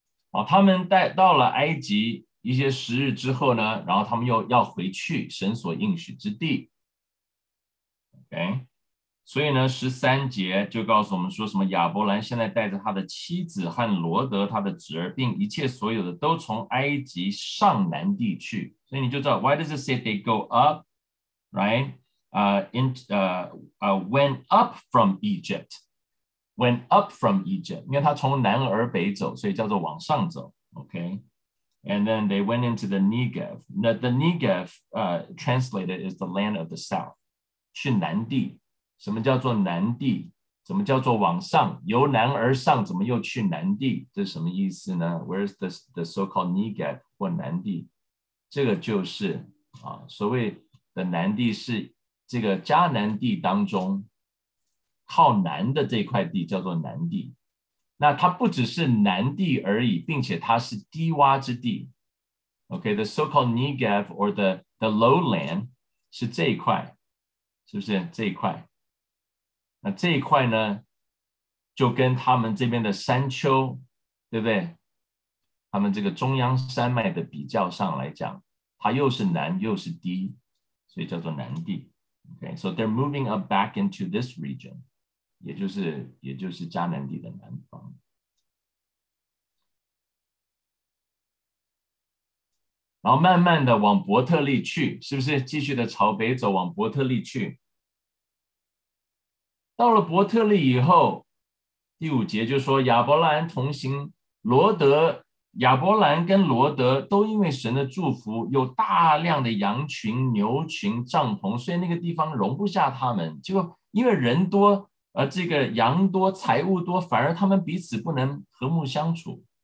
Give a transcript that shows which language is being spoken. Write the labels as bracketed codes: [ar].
[zh] 哦他们带到了埃及一些时日之后呢然后他们又要回去神所应许之地 [en] OK [zh] 所以呢，十三节就告诉我们说什么亚伯兰现在带着他的妻子和罗德他的侄儿，并一切所有的都从埃及上南地去。所以你就知道 [en] ，Why does it say they go up, right? Went up from Egypt. Went up from Egypt. [zh] 因为他从南而北走，所以叫做往上走。 [en] Okay. And then they went into the Negev. Now, the Negev, translated is the land of the south. [zh] 去南地。什么叫做南地？怎么叫做往上？由南而上，怎么又去南地？这什么意思呢 ？ [en] Where is the so-called Negev [zh] 或南地？这个就是啊，所谓的南地是这个迦南地当中靠南的这块地叫做南地。那它不只是南地而已，并且它是低洼之地。 [en] Okay, the so-called Negev or the lowland [zh] 是这一块，是不是这一块？那这一块呢，就跟他们这边的山丘，对不对？他们这个中央山脉的比较上来讲，它又是南又是低，所以叫做南地。 [en] Okay, so they're moving up back into this region, [zh] 也就是迦南地的南方。然后慢慢的往伯特利去，是不是继续的朝北走，往伯特利去？到了伯特利以后，第五节就说亚伯兰同行罗德，亚伯兰跟罗德都因为神的祝福有大量的羊群牛群帐篷，所以那个地方容不下他们，结果因为人多而这个羊多财物多，反而他们彼此不能和睦相处。